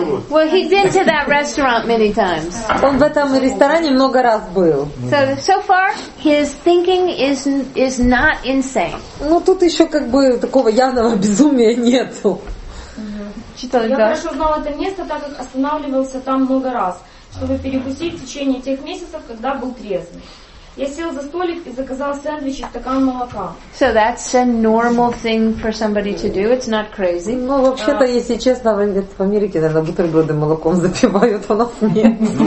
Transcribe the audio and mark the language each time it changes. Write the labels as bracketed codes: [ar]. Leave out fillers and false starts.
[en] Well, he's been to that restaurant many times. [ru] Он в этом ресторане много раз был. [en] So far, his thinking is not insane. [ru] Тут еще такого явного безумия нету. Читали, я хорошо знал это место, так как останавливался там много раз, чтобы перекусить в течение тех месяцев, когда был трезвый. Я сел за столик и заказал сэндвич и стакан молока. [en] So that's a normal thing for somebody to do. It's not crazy. [ru] Вообще-то, если честно, в Америке, наверное, бутерброды молоком запивают, а у нас нет.